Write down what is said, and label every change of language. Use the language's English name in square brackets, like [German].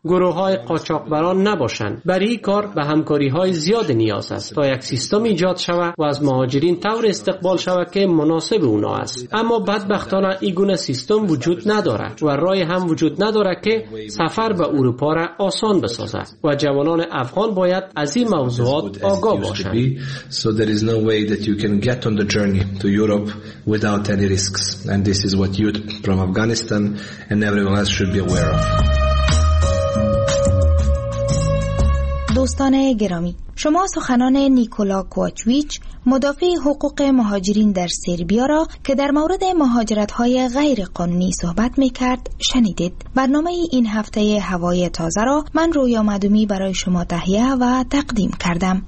[Persian] گروه‌های قاچاقبران نباشند. برای این کار به همکاری‌های زیاد نیاز است تا یک سیستم ایجاد شود و از مهاجرین طور استقبال شود که مناسب اونا است. اما بدبختانه این گونه سیستم وجود ندارد و راهی هم وجود ندارد که سفر به اروپا را آسان بسازد و جوانان افغان باید از این موضوعات آگاه باشند. [English] So there is no way that you can get on the journey to Europe without any risks, and this is what youth from Afghanistan and everyone else should be aware of. [Persian] دوستان گرامی، شما سخنان نیکولا کواچویچ مدافع حقوق مهاجرین در سربیا را که در مورد مهاجرت‌های غیر قانونی صحبت می‌کرد شنیدید. برنامه این هفته هوای تازه را من رویا مدومی برای شما تهیه و تقدیم کردم.